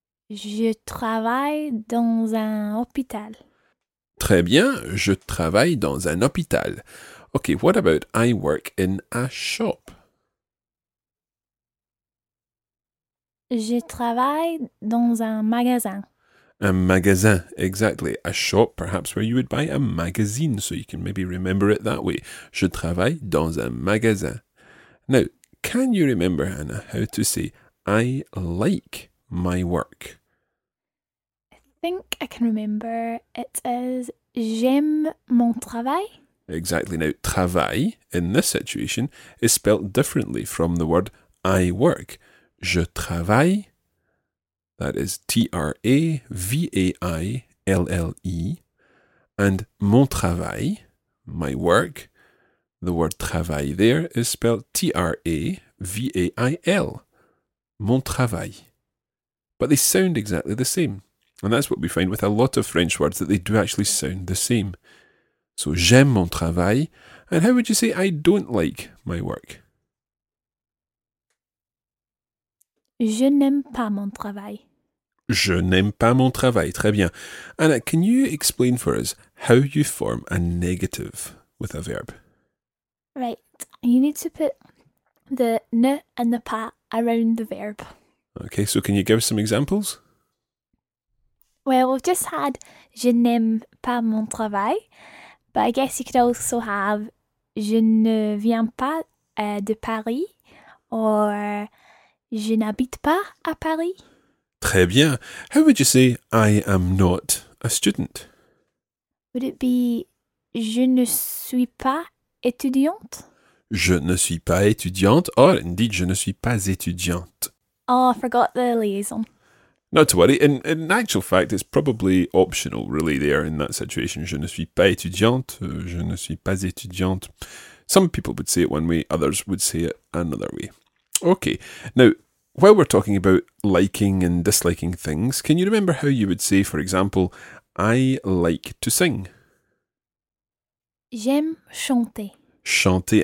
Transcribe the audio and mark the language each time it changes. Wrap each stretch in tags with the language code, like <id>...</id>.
<fr>Je travaille dans un hôpital. Très bien, je travaille dans un hôpital.</fr> <en>Ok, what about I work in a shop?</en> <fr>Je travaille dans un magasin. Un magasin,</fr> <en>exactly. A shop, perhaps, where you would buy a magazine, so you can maybe remember it that way.</en> <fr>Je travaille dans un magasin.</fr> <en>Now, can you remember, Hannah, how to say I like my work? I think I can remember. It is</en> <fr>j'aime mon travail.</fr> <en>Exactly. Now, travail, in this situation, is spelled differently from the word I work.</en> <fr>Je travaille.</fr> <en>That is T-R-A-V-A-I-L-L-E. And mon travail, my work, the word travail there is spelled T-R-A-V-A-I-L.</en> <fr>Mon travail.</fr> <en>But they sound exactly the same. And that's what we find with a lot of French words, that they do actually sound the same. So</en> <fr>j'aime mon travail.</fr> <en>And how would you say I don't like my work?</en> <fr>Je n'aime pas mon travail. Je n'aime pas mon travail. Très bien.</fr> <en>Anna, can you explain for us how you form a negative with a verb? Right. You need to put the ne and the pas around the verb. Okay, so can you give some examples? Well, we've just had</en> <fr>je n'aime pas mon travail.</fr> <en>But I guess you could also have</en> <fr>je ne viens pas de Paris. Or je n'habite pas à Paris. Très bien.</fr> <en>How would you say I am not a student? Would it be</en> <fr>je ne suis pas étudiante? Je ne suis pas étudiante. Or indeed, je ne suis pas étudiante.</fr> <en>Oh, I forgot the liaison. Not to worry. In actual fact, it's probably optional really there in that situation.</en> <fr>Je ne suis pas étudiante. Je ne suis pas étudiante.</fr> <en>Some people would say it one way, others would say it another way. Okay. Now, while we're talking about liking and disliking things, can you remember how you would say, for example, I like to sing?</en> <fr>J'aime chanter. Chanter.</fr>